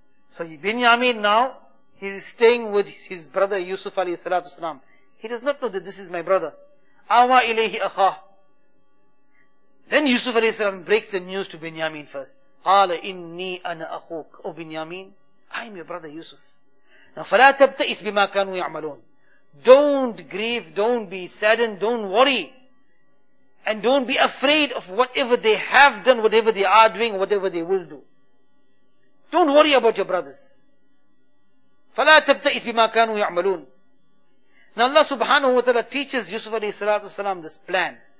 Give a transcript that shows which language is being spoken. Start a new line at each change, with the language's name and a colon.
English: So Binyamin now, he is staying with his brother Yusuf alayhi salatu wasalam. He does not know that this is my brother.
Arabic: Awa ilayhi akha.
English: Then Yusuf alayhi salam breaks the news to Binyamin first.
Arabic: Qala inni ana akhuk.
English: Oh Binyamin, I am your brother Yusuf. Now
Arabic: فلا تبتئس بما كانوا يعملون.
English: Don't grieve, don't be saddened, don't worry. And don't be afraid of whatever they have done, whatever they are doing, whatever they will do. Don't worry about your brothers.
Arabic: فَلَا تَبْتَئِسْ بِمَا كَانُوا يَعْمَلُونَ.
English: Now Allah subhanahu wa ta'ala teaches Yusuf alayhi salatu wasalam this plan.